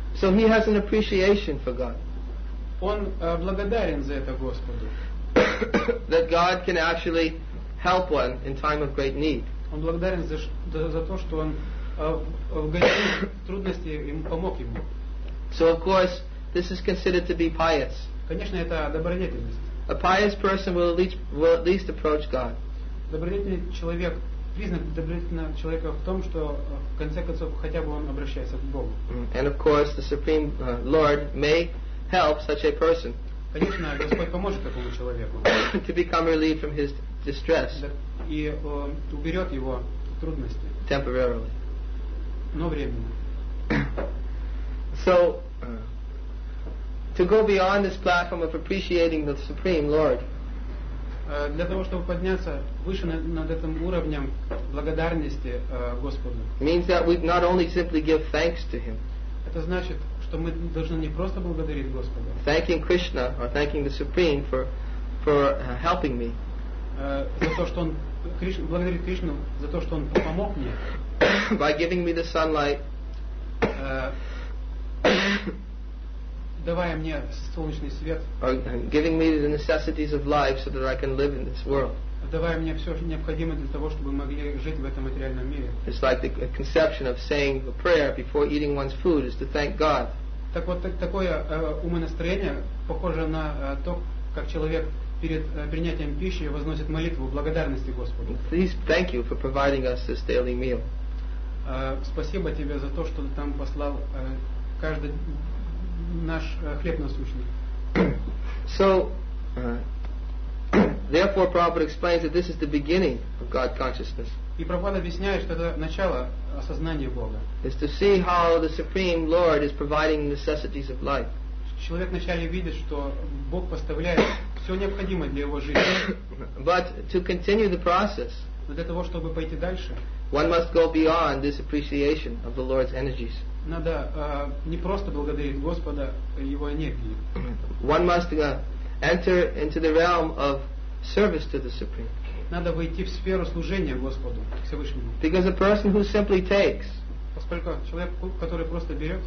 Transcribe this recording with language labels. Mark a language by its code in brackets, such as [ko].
[en] So he has an appreciation for God. [ru] Он благодарен за это Господу. [en] That God can actually help one in time of great need. [ru] Он благодарен за то, что он в трудности ему помог ему. [en] So of course, this is considered to be pious. [ru] Конечно, это добродетельность. [en] A pious person will at least approach God. [ru] Добродетельный человек, признак добродетельного человека в том, что в конце концов хотя бы он обращается к Богу. [en] And of course, the Supreme Lord may help such a person. [ru] Конечно, Господь поможет такому человеку. [en] To become relieved from his distress. [ru] И уберет его трудности. [en] Temporarily. [ru] Но временно. [en] So, to go beyond this platform of appreciating the Supreme Lord, [ru] для того чтобы подняться выше над этим уровнем благодарности Господу, [en] means that we not only simply give thanks to Him. [ru] Это значит, что мы должны не просто благодарить Господа. [en] Thanking Krishna or thanking the Supreme for helping me. [ru] За то, что он благодарит Кришну за то, что он помог мне. [en] By giving me the sunlight. [ru] давая мне солнечный свет, [en] giving me the necessities of life so that I can live in this world. [ru] Давая мне все необходимое для того, чтобы могли жить в этом материальном мире. [en] It's like the conception of saying a prayer before eating one's food is to thank God. [ru] Так вот, такое умонастроение похоже на то, как человек перед принятием пищи возносит молитву благодарности Господу. [en] Please thank you for providing us this daily meal. [ru] Спасибо тебе за то, что ты там послал каждый наш хлеб насущный. [en] So, therefore, Prabhupada explains that this is the beginning of God consciousness. [ru] И Прабхупада объясняет, что это начало осознания Бога. [en] Is to see how the Supreme Lord is providing necessities of life. [ru] Человек вначале видит, что Бог поставляет все необходимое для его жизни. [en] But to continue the process, [ru] но для того, чтобы пойти дальше, [en] one must go beyond this appreciation of the Lord's energies. [ru] Надо не просто благодарить Господа его энергии. [en] One must enter into the realm of service to the Supreme. [ru] Надо войти в сферу служения Господу, Всевышнему. [en] Because a person who simply takes, [ru] поскольку человек, который просто берет,